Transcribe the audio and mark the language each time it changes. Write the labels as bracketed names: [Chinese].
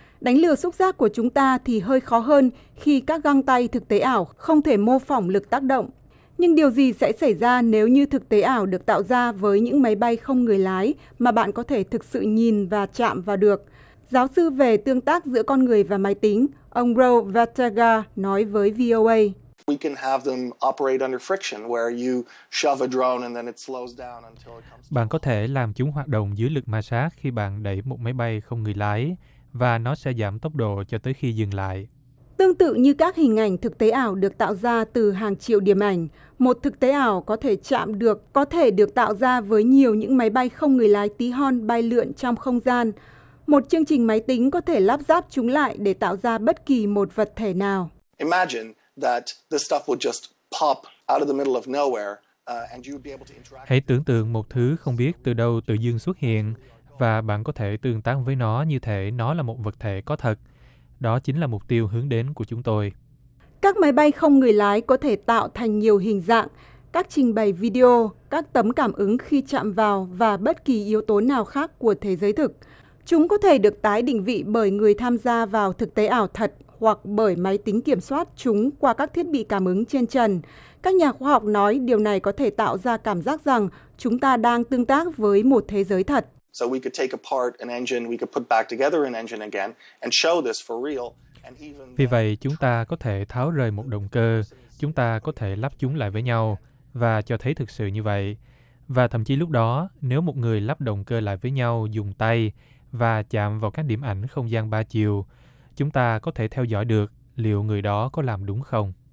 [Vietnamese] Đánh lừa xúc giác của chúng ta thì hơi khó hơn khi các găng tay thực tế ảo không thể mô phỏng lực tác động. Nhưng điều gì sẽ xảy ra nếu như thực tế ảo được tạo ra với những máy bay không người lái mà bạn có thể thực sự nhìn và chạm vào được? Giáo sư về tương tác giữa con người và máy tính, ông Ro Vataga nói với VOA. [English] We can have them operate under friction where you shove a drone and then it slows down until it comes to... [Vietnamese] Bạn có thể làm chúng hoạt động dưới lực ma sát khi bạn đẩy một máy bay không người lái và nó sẽ giảm tốc độ cho tới khi dừng lại. Tương tự như các hình ảnh thực tế ảo được tạo ra từ hàng triệu điểm ảnh, một thực tế ảo có thể chạm được, có thể được tạo ra với nhiều những máy bay không người lái tí hon bay lượn trong không gian. Một chương trình máy tính có thể lắp ráp chúng lại để tạo ra bất kỳ một vật thể nào. [English] Imagine that the stuff would just pop out of the middle of nowhere and you'd be able to interact. [Vietnamese] Hãy tưởng tượng một thứ không biết từ đâu tự dưng xuất hiện và bạn có thể tương tác với nó như thể nó là một vật thể có thật. Đó chính là mục tiêu hướng đến của chúng tôi. Các máy bay không người lái có thể tạo thành nhiều hình dạng, các trình bày video, các tấm cảm ứng khi chạm vào và bất kỳ yếu tố nào khác của thế giới thực. Chúng có thể được tái định vị bởi người tham gia vào thực tế ảo thật hoặc bởi máy tính kiểm soát chúng qua các thiết bị cảm ứng trên trần. Các nhà khoa học nói điều này có thể tạo ra cảm giác rằng chúng ta đang tương tác với một thế giới thật. [English] So we could take apart an engine, we could put back together an engine again and show this for real. [Vietnamese] Vì vậy, chúng ta có thể tháo rời một động cơ, chúng ta có thể lắp chúng lại với nhau và cho thấy thực sự như vậy. Và thậm chí lúc đó, nếu một người lắp động cơ lại với nhau dùng tay và chạm vào các điểm ảnh không gian ba chiều, chúng ta có thể theo dõi được liệu người đó có làm đúng không.